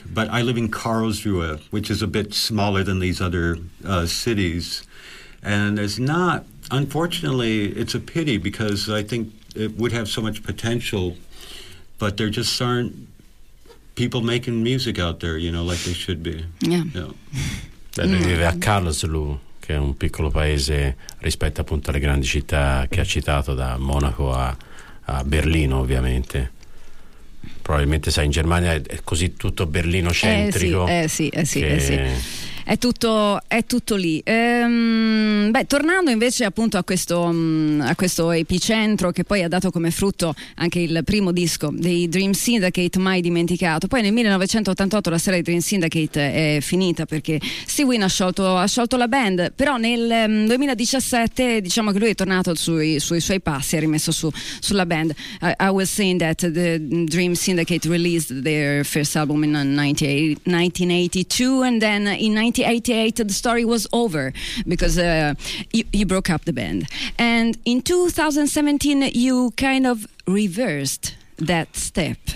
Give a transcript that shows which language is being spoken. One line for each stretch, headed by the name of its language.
English: But I live in Karlsruhe, which is a bit smaller than these other cities. And there's not, unfortunately, it's a pity because I think it would have so much potential, but there just aren't people making music out there, you know, like they should be. Yeah.
Italian: Lui vive a Karlsruhe, che è un piccolo paese rispetto appunto alle grandi città che ha citato, da Monaco a Berlino, ovviamente. Probabilmente, sai, in Germania è così tutto Berlino centrico. Eh sì. è tutto lì. Tornando invece appunto a questo epicentro che poi ha dato come frutto anche il primo disco dei Dream Syndicate, mai dimenticato. Poi nel 1988 la storia dei Dream Syndicate è finita perché Steve Wynn ha sciolto la band, però nel 2017 diciamo che lui è tornato sui suoi passi, ha rimesso sulla band.
English: I was saying that the Dream Syndicate released their first album in 1982, and then in 1988 the story was over because you broke up the band, and in 2017 you kind of reversed that step.